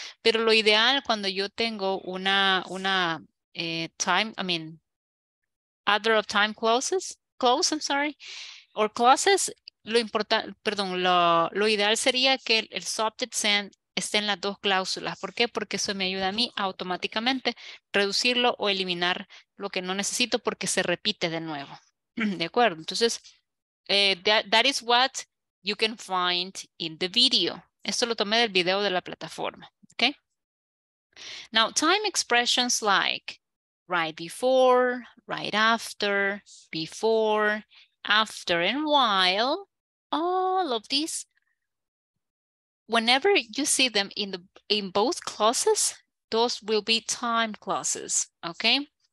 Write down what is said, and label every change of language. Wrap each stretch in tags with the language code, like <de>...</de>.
<es>Pero lo ideal cuando yo tengo lo ideal sería que el subject esté en las dos cláusulas. ¿Por qué? Porque eso me ayuda a mí automáticamente reducirlo o eliminar lo que no necesito porque se repite de nuevo. ¿De acuerdo?</es> <en>Entonces, that is what you can find in the video.</en> <es>Esto lo tomé del video de la plataforma.</es> <en>Okay? Now, time expressions like right before, right after, before, after, and while, all of these, whenever you see them in both clauses, those will be time clauses, okay?</en>